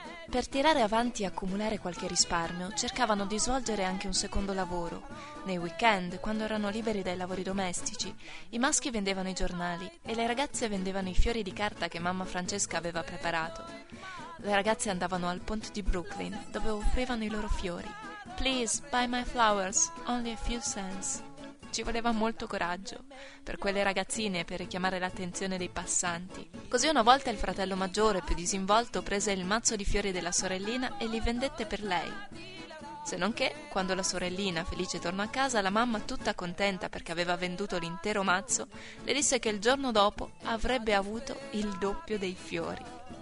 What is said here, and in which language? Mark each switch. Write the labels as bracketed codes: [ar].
[it] Per tirare avanti e accumulare qualche risparmio, cercavano di svolgere anche un secondo lavoro. Nei weekend, quando erano liberi dai lavori domestici, i maschi vendevano i giornali e le ragazze vendevano i fiori di carta che mamma Francesca aveva preparato. Le ragazze andavano al ponte di Brooklyn, dove offrivano i loro fiori. [en] Please, buy my flowers, only a few cents. [it] Ci voleva molto coraggio, per quelle ragazzine, per richiamare l'attenzione dei passanti. Così una volta il fratello maggiore, più disinvolto, prese il mazzo di fiori della sorellina e li vendette per lei. Se non che, quando la sorellina felice tornò a casa, la mamma, tutta contenta perché aveva venduto l'intero mazzo, le disse che il giorno dopo avrebbe avuto il doppio dei fiori.